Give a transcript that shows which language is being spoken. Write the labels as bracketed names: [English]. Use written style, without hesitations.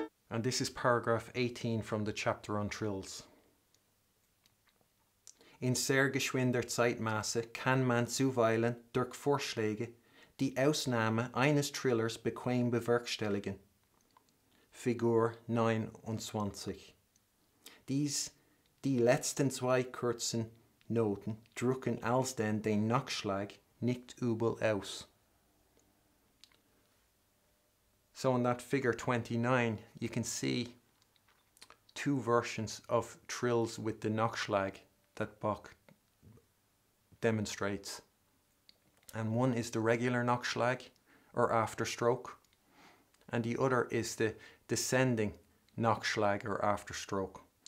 [English] And this is paragraph 18 from the chapter on trills. [German] In sehr geschwinder Zeitmasse kann man zuweilen durch Vorschläge die Ausnahme eines Trillers bequem bewerkstelligen. Figur 29. Die letzten zwei kurzen Noten drücken alsdenn den Nachschlag nicht übel aus. [English] So in that figure 29, you can see two versions of trills with the Nachschlag that Bach demonstrates. And one is the regular Nachschlag, or afterstroke, and the other is the descending Nachschlag, or afterstroke.